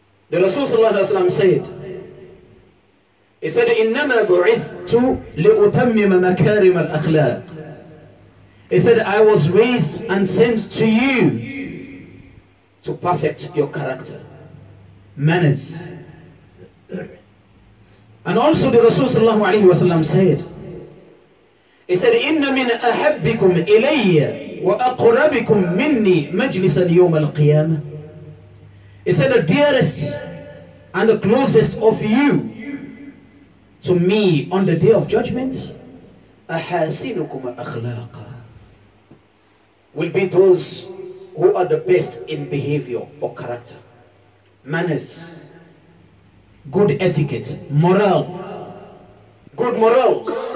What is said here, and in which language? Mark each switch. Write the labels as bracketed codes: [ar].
[en] The Rasul [ar] صلى الله عليه وسلم [en] said, He said, [ar] إنما بعثت لأتمم مكارم الأخلاق. [en] He said, I was raised and sent to you to perfect your character, manners. And also the Rasul [ar] صلى الله عليه وسلم [en] said, He said, [ar] إن من أحبكم إلي وأقربكم مني مجلسا يوم القيامة. [en] He said, The dearest and the closest of you to me on the day of judgment, [ar] أحاسنكم أخلاقا, [en] will be those who are the best in behavior or character, manners, good etiquette, morale, good morals.